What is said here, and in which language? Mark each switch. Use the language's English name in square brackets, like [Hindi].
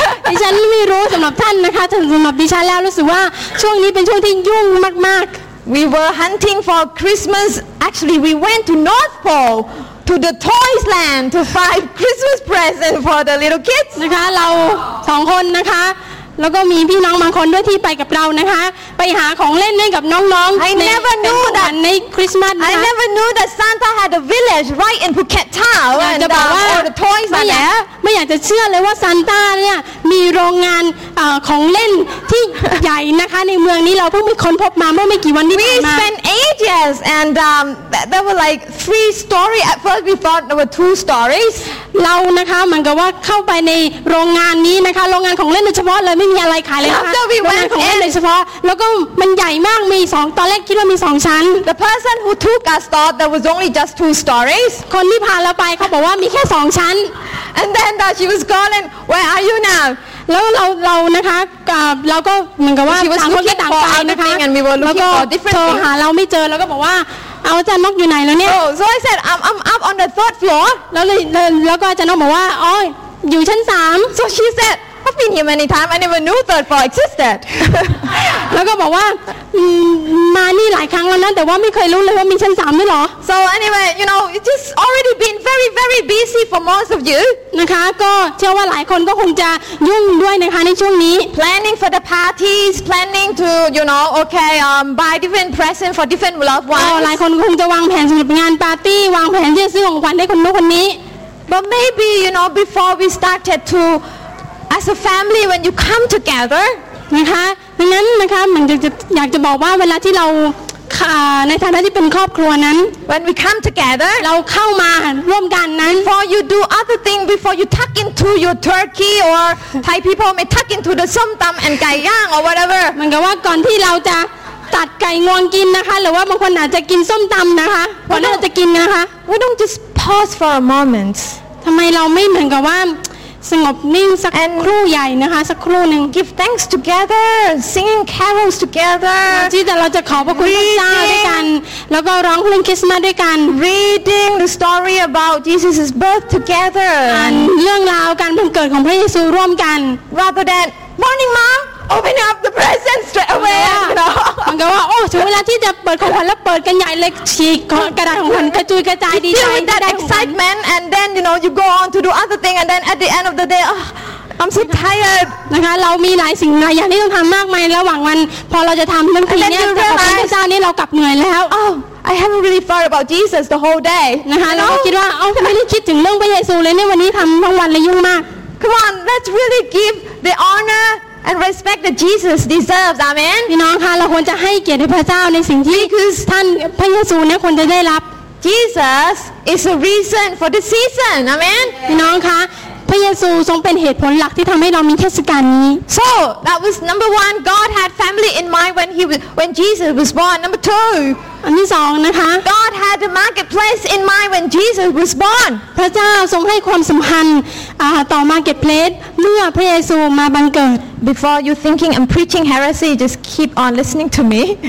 [Thai] ดิฉันไม่รู้สำหรับท่านนะคะสำหรับดิฉันแล้วรู้สึกว่าช่วงนี้เป็นช่วงที่ยุ่งมาก [English] ๆ We were hunting for Christmas. Actually, we went to North Pole. To the toys land to find Christmas present for the little kids. [Thai] นะคะเราสองคนนะคะแล้วก็มีพี่น้องบางคนด้วยที่ไปกับเรานะคะไปหาของเล่นให้กับน้องๆใน [English] คริสต์มาส I never knew that [Thai] ในคริสต์มาส [English] I never knew that Santa had a village right in Phuket town. [Thai] จะบอกว่า ไม่อยากจะเชื่อเลยว่าซานต้าเนี่ยมีโรงงานของเล่นที่ใหญ่นะคะในเมืองนี้เราเพิ่งไปค้นพบมาเมื่อไม่กี่วันนี้เองมา [English] We spent ages and there were like three stories at first we thought there were two stories [Thai] เรานะคะเหมือนกับว่าเข้าไปในโรงงานนี้นะคะโรงงานของเล่นโดยเฉพาะเลยไม่มีอะไรขายเลยค่ะโรงงานของเล่นโดยเฉพาะแล้วก็มันใหญ่มากมี2ตอนแรกคิดว่ามี2ชั้น [English] The person who took us thought there was only just two stories [Thai] คนที่พาเราไปเขาบอกว่ามีแค่2ชั้น [English] And thenShe was calling. Where are you now? [Thai] แล้วเรานะคะเราก็เหมือนกับว่าบางคนก็ต่างไปนะคะแล้ วก็ โทรหาเราไม่เจอแล้วก็บอกว่าอาจารย์นกอยู่ไหนแล้วเนี่ย [English] So I said I'm up on the third floor. [Thai] แล้วก็อาจารย์นกบอกว่าอ๋ออยู่ชั้น3 [English] So she said I've been here many times. I never knew third floor existed. [Thai] แล้วก็บอกว่ามานี่หลายครั้งแล้วนะแต่ว่าไม่เคยรู้เลยว่ามีชั้น3ด้วยเหรอ [English] So anyway, you know, it's just already been very very busy for most of you [Thai] นะคะก็เชื่อว่าหลายคนก็คงจะยุ่งด้วยนะคะในช่วงนี้ [English] planning for the parties planning to you know okay buy different presents for different loved ones [Thai] หลายคนคงจะวางแผนสําหรับงานปาร์ตี้วางแผนที่จะซื้อของขวัญให้คนนู้นคนนี้ [English] but maybe you know before we started to as a family when you come together [Thai] นะคะดังนั้นนะคะมันจะอยากจะบอกว่าเวลาที่เราในฐานะที่เป็นครอบครัวนั้น [English] when we come together [Thai] เราเข้ามาร่วมกันนั้น [English] before you do other thing before you tuck into your turkey or Thai people may tuck into the som tam and [Thai] ไก่ย่างหรือ [English] whatever [Thai] มันก็ว่าก่อนที่เราจะตัดไก่งวงกินนะคะหรือว่าบางคนอาจจะกินส้มตำนะคะก่อนที่จะกินนะคะ [English] we don't just pause for a moment [Thai] ทำไมเราไม่เหมือนกับว่าสงบนิ่งสักครู่ใหญ่นะคะสักครู่นึง [English] give thanks together singing carols together [Thai] ที่เราจะขอพระคุณพระเจ้าด้วยกันแล้วก็ร้องเพลงคริสต์มาสด้วยกัน [English] reading the story about Jesus's birth together. [Thai] เรื่องราวการบังเกิดของพระเยซูร่วมกัน [English] Rather than morning mom open up the present straight away. [Thai] มันก็ว่าโอ้ถึงเวลาที่จะเปิดของขวัญแล้วเปิดกันใหญ่เลยฉีกกระดาษของขวัญกระจุยกระจายดีใจ [English] That excitement and then you know you go on to do other thing and then at the end of the day I'm so tired [Thai] นะคะเรามีหลายสิ่งหลายอย่างที่ต้องทำมากมายระหว่างวันพอเราจะทำเรื่องนี้ แต่พอถึงเช้านี้เรากลับเหนื่อยแล้ว [English] Oh I haven't really thought about Jesus the whole day [Thai] นะคะเราคิดว่าเอ้าไม่ได้คิดถึงเรื่องพระเยซูเลยเนี่ยวันนี้ทำทั้งวันเลยยุ่งมาก [English] Come on let's really give the honorAnd respect that Jesus deserves, Amen. [Thai] พี่น้องคะเราควรจะให้เกียรติพระเจ้าในสิ่งที่ ท่านพระเยซูเนี่ยควรจะได้รับ [English] Jesus is a reason for the season, Amen. [Thai] พี่น้องคะพระเยซูทรงเป็นเหตุผลหลักที่ทำให้เรามีเทศกาลนี้ [English] So that was number one. God had family in mind when he was, when Jesus was born. Number two. [Thai] อันที่สองนะคะ [English] God had the marketplace in mind when Jesus was born. [Thai] พระเจ้าทรงให้ความสำคัญต่อ marketplace เมื่อพระเยซูมาบังเกิด [English] Before you thinking I'm preaching heresy, just keep on listening to me.